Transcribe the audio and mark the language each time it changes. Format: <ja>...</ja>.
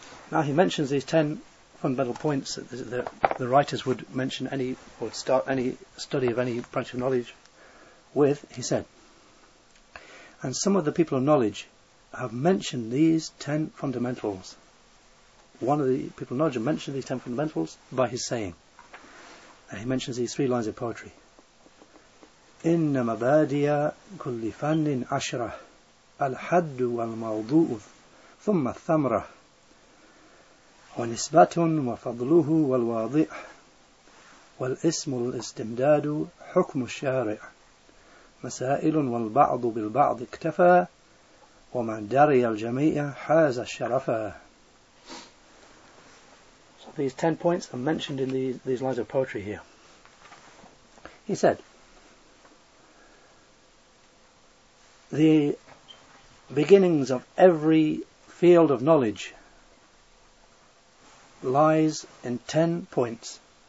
<en>Now he mentions these 10 fundamental points that the writers would mention any or start any study of any branch of knowledge with, he said. And some of the people of knowledge have mentioned these 10 fundamentals. One of the people of knowledge have mentioned these 10 fundamentals by his saying. And he mentions these three lines of poetry.</en> <ar>Inna mabadiya kulli fannin ashra al-haddu wal-mawdu'u thumma thamra ونسبة وفضله والواضع والاسم الاستمداد حكم الشارع مسائل والبعض بالبعض اكتفى ومن داري الجميع حاز الشرفا.</ar> <en>So these 10 points are mentioned in these lines of poetry here. He said, the beginnings of every field of knowledge lies in 10 points.</en>